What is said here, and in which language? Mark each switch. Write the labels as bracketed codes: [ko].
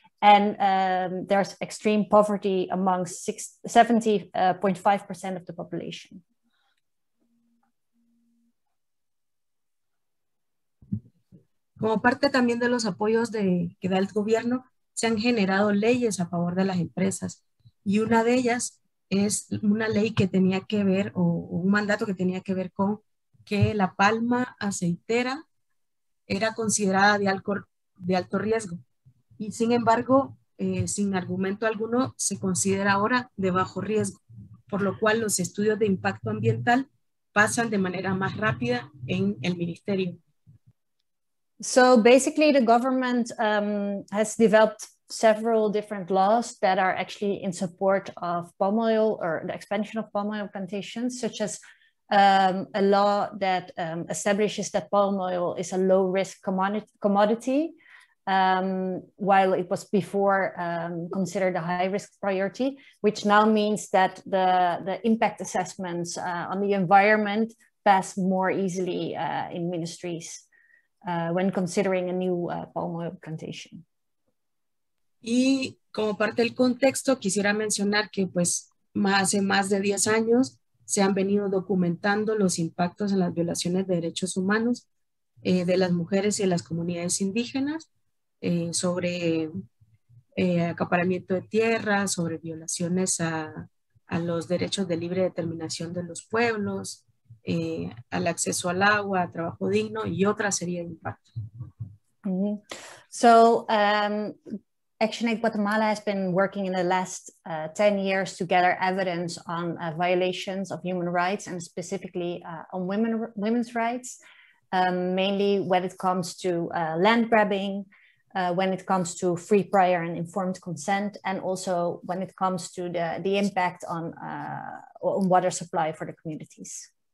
[en] And there's extreme poverty among 70.5% of the population. [es] Como parte también de los apoyos que da el gobierno, se han generado leyes a favor de las empresas. Y una de ellas es una ley que tenía que ver, o un mandato que tenía que ver con que la palma aceitera era considerada de alto riesgo. Y sin embargo, sin argumento alguno, se considera ahora de bajo riesgo, por lo cual los estudios de impacto ambiental pasan de manera más rápida en el ministerio. [en] So basically, the government has developed several different laws that are actually in support of palm oil or the expansion of palm oil plantations, such as a law that establishes that palm oil is a low-risk commodity, while it was before considered a high-risk priority, which now means that the impact assessments on the environment pass more easily in ministries. When considering a new palm oil plantation. [es] Y como parte del contexto, quisiera mencionar que pues hace más de 10 años se han venido documentando los impactos en las violaciones de derechos humanos de las mujeres y de las comunidades indígenas sobre acaparamiento de tierras, sobre violaciones a los derechos de libre determinación de los pueblos, al acceso al agua, trabajo digno, y otra serie de impactos. Mm-hmm. [en] So, ActionAid Guatemala has been working in the last 10 years to gather evidence on violations of human rights and specifically on women's rights, mainly when it comes to land grabbing, when it comes to free, prior, and informed consent, and also when it comes to the impact on water supply for the communities.